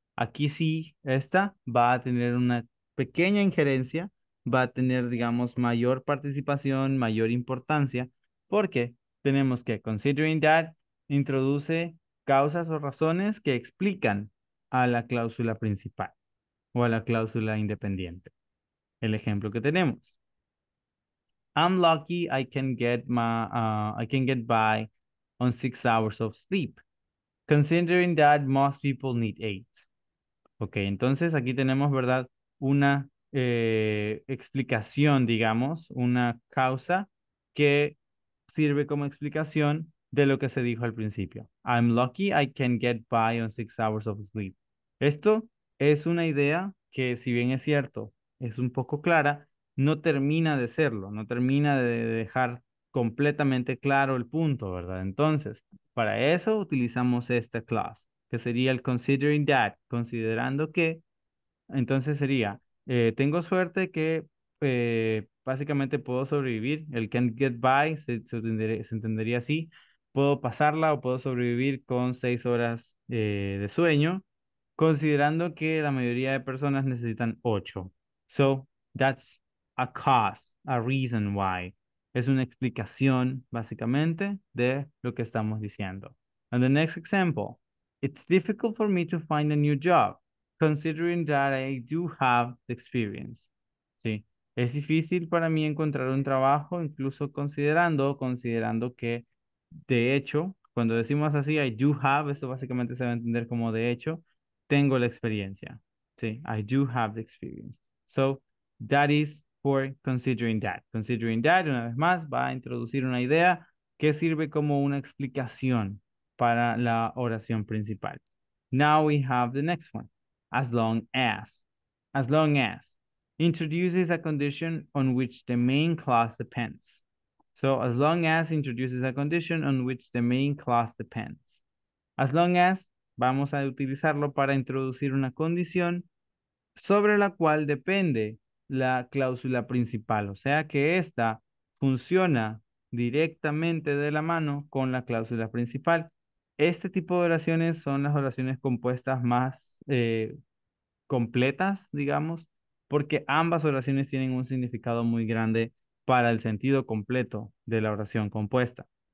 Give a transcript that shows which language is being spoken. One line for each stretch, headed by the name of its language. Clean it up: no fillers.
Spanish: Aquí sí, esta va a tener una pequeña injerencia, va a tener, digamos, mayor participación, mayor importancia, porque tenemos que, considering that, introduce causas o razones que explican a la cláusula principal o a la cláusula independiente. El ejemplo que tenemos.
English: I'm lucky I can get by on 6 hours of sleep, considering that most people need 8.
Spanish: Ok, entonces aquí tenemos, ¿verdad?, una explicación, digamos, una causa que sirve como explicación de lo que se dijo al principio.
English: I'm lucky I can get by on 6 hours of sleep.
Spanish: Esto es una idea que, si bien es cierto, es un poco clara, no termina de serlo, no termina de dejar completamente claro el punto, ¿verdad? Entonces, para eso utilizamos esta clause, que sería el considering that, considerando que, entonces sería, tengo suerte que básicamente puedo sobrevivir, el can't get by, se entendería así, puedo pasarla o puedo sobrevivir con 6 horas de sueño, considerando que la mayoría de personas necesitan 8.
English: So, that's a cause, a reason why.
Spanish: Es una explicación, básicamente, de lo que estamos diciendo.
English: And the next example. It's difficult for me to find a new job, considering that I do have the experience.
Spanish: Sí, es difícil para mí encontrar un trabajo, incluso considerando que, de hecho, cuando decimos así,
English: I do have,
Spanish: eso básicamente se va a entender como de hecho, tengo la experiencia.
English: Sí, I do have the experience. So, that is for considering that.
Spanish: Considering that, una vez más, va a introducir una idea que sirve como una explicación para la oración principal.
English: Now we have the next one. As long as. As long as. Introduces a condition on which the main clause depends. So, as long as introduces a condition on which the main clause depends.
Spanish: As long as, vamos a utilizarlo para introducir una condición sobre la cual depende la cláusula principal. O sea que esta funciona directamente de la mano con la cláusula principal. Este tipo de oraciones son las oraciones compuestas más completas, digamos, porque ambas oraciones tienen un significado muy grande para el sentido completo de la oración compuesta.